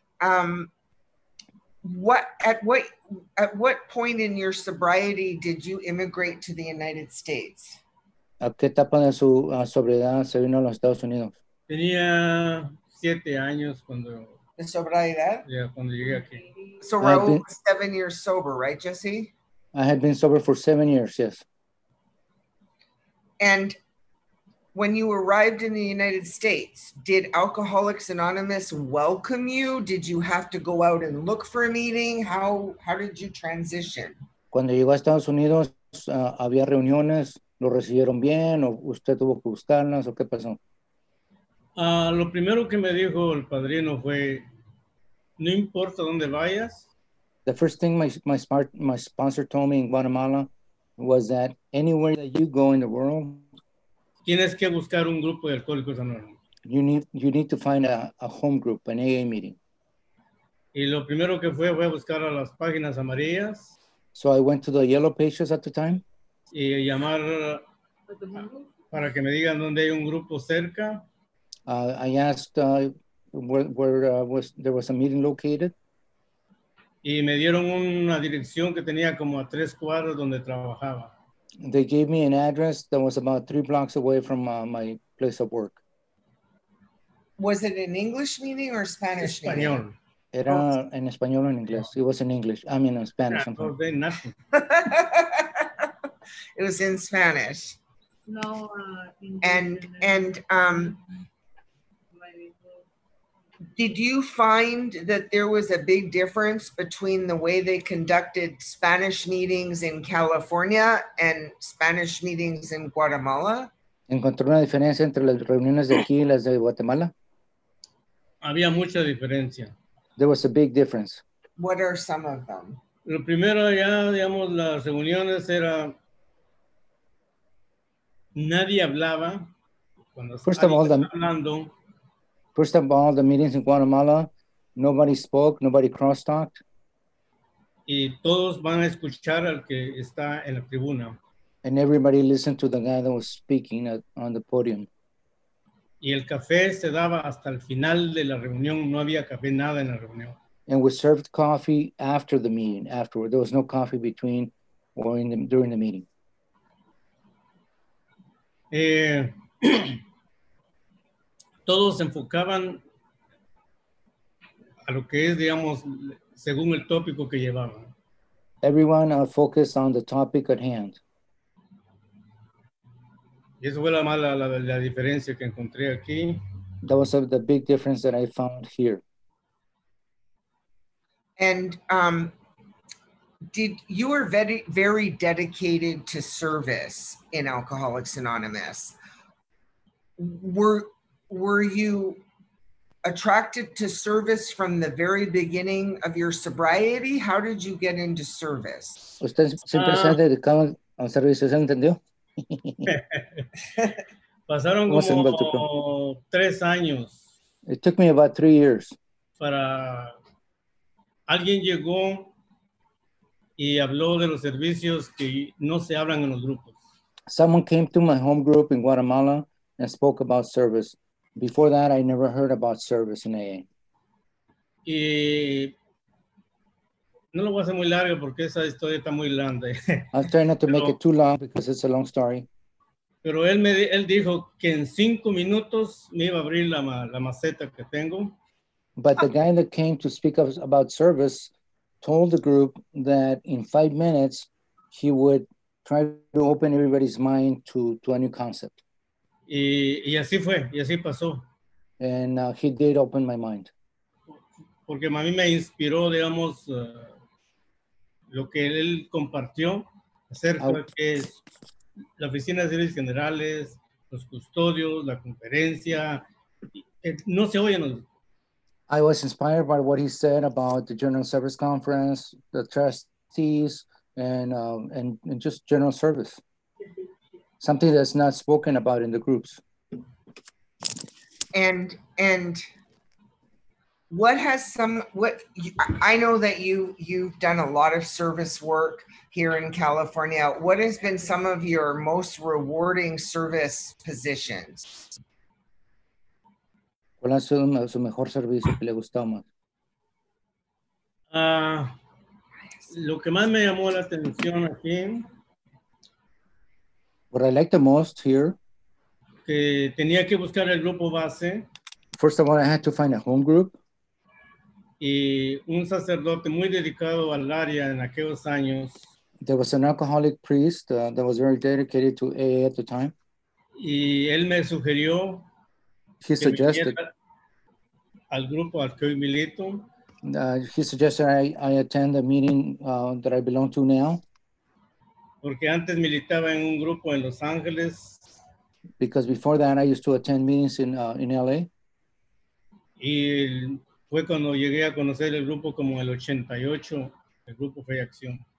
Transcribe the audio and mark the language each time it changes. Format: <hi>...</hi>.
<en>At what point in your sobriety did you immigrate to the United States?</en> <es>¿A qué etapa de su sobriedad se vino a los Estados Unidos? Tenía 7 años cuando. ¿De sobriedad? Yeah, cuando llegué aquí.</es> <en>So Raúl was 7 years sober, right, Jesse? I had been sober for 7 years, yes. And when you arrived in the United States, did Alcoholics Anonymous welcome you? Did you have to go out and look for a meeting? How did you transition?</en> <es>Cuando llegó a Estados Unidos, había reuniones. ¿Lo recibieron bien o usted tuvo que buscarlas o qué pasó? Lo primero que me dijo el padrino fue, no importa dónde vayas.</es> <en>The first thing my sponsor told me in Guatemala was that anywhere that you go in the world,</en> <es>tienes que buscar un grupo de alcohólicos anónimos.</es> <en>You need to find a home group, an AA meeting.</en> <es>Y lo primero que fue a buscar a las páginas amarillas.</es> <en>So I went to the yellow pages at the time.</en> <es>Y llamar para que me digan dónde hay un grupo cerca.</es> <en>I asked where there was a meeting located.</en> <es>Y me dieron una dirección que tenía como a 3 cuadras donde trabajaba.</es> <en>They gave me an address that was about 3 blocks away from my place of work. Was it an English meeting or Spanish</en> <es>español.</es> <en>Meeting?</en> <es>Era en español o en inglés.</es> <en>It was in English. I mean, in Spanish. No, nothing. It was in Spanish. No, English. And did you find that there was a big difference between the way they conducted Spanish meetings in California and Spanish meetings in Guatemala?</en> <es>¿Encontró una diferencia entre las reuniones de aquí y las de Guatemala? Había mucha diferencia.</es> <en>There was a big difference. What are some of them?</en> <es>Lo primero ya, digamos, las reuniones era nadie hablaba.</es> <en>First of all, first of all, the meetings in Guatemala, nobody spoke, nobody cross-talked.</en> <es>Y todos van a escuchar al que está en la tribuna.</es> <en>And everybody listened to the guy that was speaking on the podium.</en> <es>Y el café se daba hasta el final de la reunión, no había café nada en la reunión.</es> <en>And we served coffee after the meeting, afterward. There was no coffee between or in the, during the meeting.</en> <es>Todos se enfocaban a lo que es, digamos, según el tópico que llevaban.</es> <en>Everyone focused on the topic at hand.</en> <es>Y eso fue la diferencia que encontré aquí.</es> <en>That was the big difference that I found here. And you were very, very dedicated to service in Alcoholics Anonymous. Were you attracted to service from the very beginning of your sobriety? How did you get into service?</en> <es>¿Usted siempre se ha dedicado al servicio? ¿Se entendió? Pasaron como 3 años.</es> <en>It took me about 3 years.</en> <es>Para alguien llegó y habló de los servicios que no se hablan en los grupos.</es> <en>Someone came to my home group in Guatemala and spoke about service. Before that, I never heard about service in AA.</en> <es>Y no lo voy a hacer muy largo porque esa historia está muy grande.</es> <en>I'll try not to make it too long because it's a long story.</en> <es>Pero él dijo que en 5 minutos me iba a abrir la maceta que tengo.</es> <en>But the guy that came to speak about service told the group that in 5 minutes, he would try to open everybody's mind to a new concept.</en> <es>Y así fue, y así pasó.</es> <en>And he did open my mind.</en> <es>Porque a mí me inspiró, digamos, lo que él compartió acerca de que es la Oficina de Servicios Generales, los custodios, la conferencia, no se oyen los...</es> <en>I was inspired by what he said about the General Service Conference, the trustees, and just general service. Something that's not spoken about in the groups. And what has some, what you, I know that you've done a lot of service work here in California. What has been some of your most rewarding service positions?</en> <es>¿Cuál ha sido su mejor servicio que le gustó más? Lo que más me llamó la atención aquí.</es> <en>What I like the most here.</en> <es>Que tenía que buscar el grupo base.</es> <en>First of all, I had to find a home group.</en> <es>Y un sacerdote muy dedicado al área en aquellos años.</es> <en>There was an alcoholic priest that was very dedicated to AA at the time.</en> <es>Y él me sugirió.</es> <en>He suggested.</en> <es>Al grupo al que hoy milito.</es> <en>He suggested I attend the meeting that I belong to now.</en> <es>Porque antes militaba en un grupo en Los Ángeles.</es> <en>Because before that I used to attend meetings in LA.</en> <es>Y fue cuando llegué a conocer el grupo como el 88, el grupo Fe y Acción.</es>